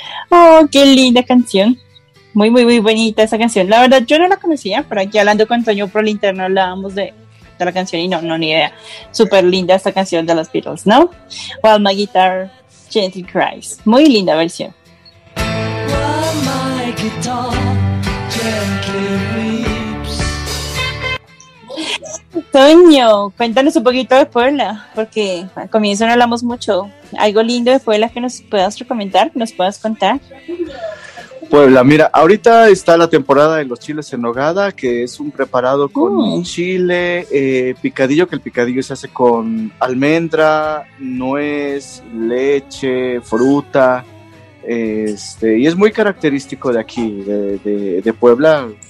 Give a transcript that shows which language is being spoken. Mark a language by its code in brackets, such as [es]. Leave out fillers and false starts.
[es] Oh, qué linda canción. Muy, muy, muy bonita esa canción. La verdad, yo no la conocía, pero aquí hablando con Toño por el interno hablábamos de la canción y no, no, ni idea. Súper linda esta canción de los Beatles, ¿no? [en] While My Guitar Gently Cries. [es] Muy linda versión. [en] While my guitar gently weeps. [es] Toño, cuéntanos un poquito de Puebla, porque al comienzo no hablamos mucho. ¿Algo lindo de Puebla que nos puedas recomendar, que nos puedas contar? Puebla, mira, ahorita está la temporada de los chiles en nogada, que es un preparado con chile picadillo, que el picadillo se hace con almendra, nuez, leche, fruta, y es muy característico de aquí, de Puebla.